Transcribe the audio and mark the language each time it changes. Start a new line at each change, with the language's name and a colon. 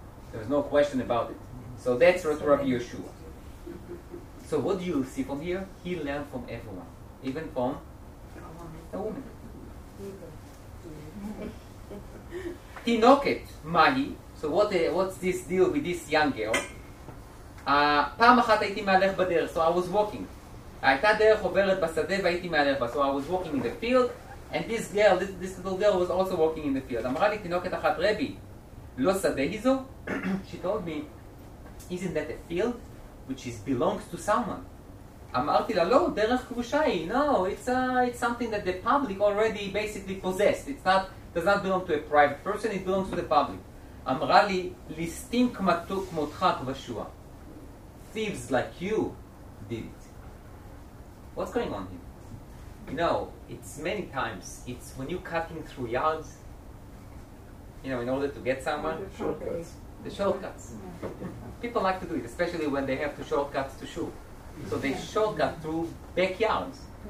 English: There was no question about it. So that's Rabbi Yehoshua. So what do you see from here? He learned from everyone, even from a woman. Tinoket, Mahi. So what's this deal with this young girl?
Hebrew: פעם אחת הייתי מהלך בדרך,
English: so I was walking.
Hebrew: הייתה דרך עוברת בשדה והייתי מהלך בה,
English: so I was walking in the field, and this little girl was also walking in the field.
Hebrew: אמרה לי תינוקת אחת, רבי, לא שדה היא זו?
English: She told me, isn't that a field which belongs to someone?
Hebrew: אמרתי לה, לא, דרך כבושה היא,
English: no, it's something that the public already basically possessed. Does not belong to a private person, it belongs to the public.
Hebrew: אמרה לי, ליסטים כמותך כבשוה.
English: Thieves like you did it. What's going on here? you know, it's many times, it's when you're cutting through yards, you know, in order to get someone, the shortcuts. People like to do it, especially when they have to shortcut to shul. So they shortcut through backyards.